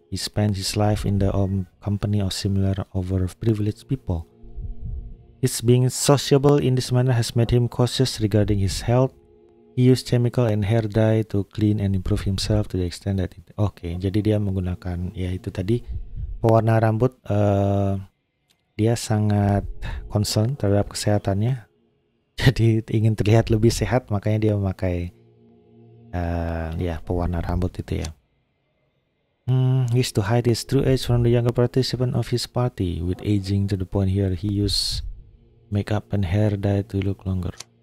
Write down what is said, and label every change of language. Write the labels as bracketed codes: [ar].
[en] He spends his life in the company of similar overprivileged people. His being sociable in this manner has made him cautious regarding his health. He used chemical and hair dye to clean and improve himself to the extent that it... [id] Okay, jadi dia menggunakan, ya itu tadi, pewarna rambut. Dia sangat concern terhadap kesehatannya. Jadi ingin terlihat lebih sehat, makanya dia memakai ya pewarna rambut itu ya. [en] He's to hide his true age from the younger participant of his party. With aging to the point here, he use makeup and hair dye to look longer.